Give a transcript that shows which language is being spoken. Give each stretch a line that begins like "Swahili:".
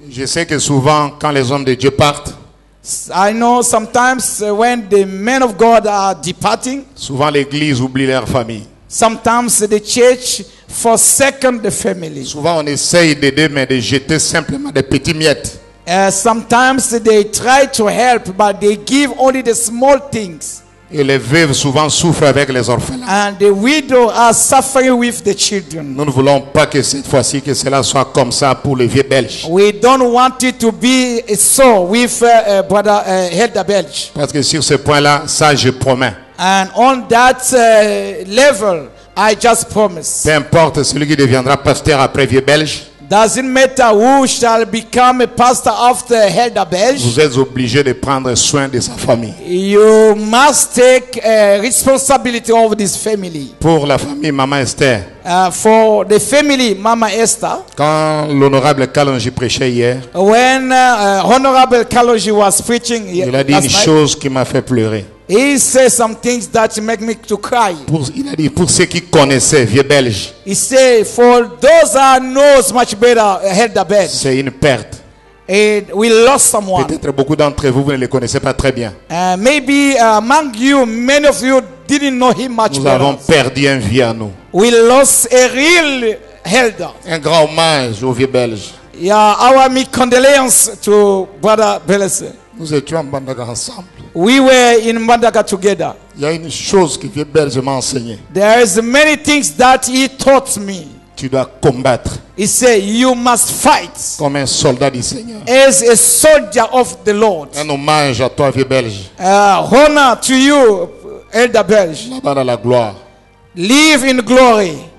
French: Je sais que souvent, quand les hommes de Dieu partent,
English: I know sometimes when the men of God are departing,
French: souvent l'église oublie leur famille.
English: Sometimes the church forsake the family.
French: Souvent on essaye d'aider mais de jeter simplement des petites miettes.
English: Sometimes they try to help but they give only the small things.
French: Et les veuves souvent souffrent avec les orphelins.
English: And the widow are suffering with the children.
French: Nous ne voulons pas que cette fois-ci que cela soit comme ça pour les vieux belges.
English: We don't want it to be so with brother Hilda Belge.
French: Parce que sur ce point-là, ça je promets.
English: And on that level, I just promise.
French: Peu importe celui qui deviendra pasteur après vieux belge.
English: Doesn't matter who shall become a pastor after Hilda Belge.
French: Vous êtes obligé de prendre soin de sa famille.
English: You must take responsibility over this family.
French: Pour la famille Maman Esther.
English: For the family Mama Esther.
French: Quand l'honorable Kalonji prêchait hier.
English: When honorable Kalonji was preaching last night.
French: Il a dit une chose qui m'a fait pleurer.
English: He said some things that make me to cry.
French: Pour, il a dit pour ceux qui connaissaient vieux belge.
English: He said for those that knows much better Hilda Belge.
French: C'est une perte.
English: And we lost someone.
French: Peut-être beaucoup d'entre vous ne les connaissez pas très bien.
English: Maybe among you, many of you didn't know him much
French: nous Nous avons perdu un vieux à nous.
English: We lost a real Hilda.
French: Un grand hommage aux vieux belges.
English: Yeah, our my condolences to brother Belge.
French: Nous étions en Mbandaka ensemble.
English: We were in Mbandaka together.
French: Il y a une chose que vieux belge m'a enseigné.
English: There is many things that he taught me.
French: Tu dois combattre.
English: He said you must fight.
French: Comme un soldat du Seigneur.
English: As a soldier of the Lord.
French: Un hommage à toi vieux belge.
English: Honor to you elder belge.
French: Là-bas dans la gloire.
English: Live in glory.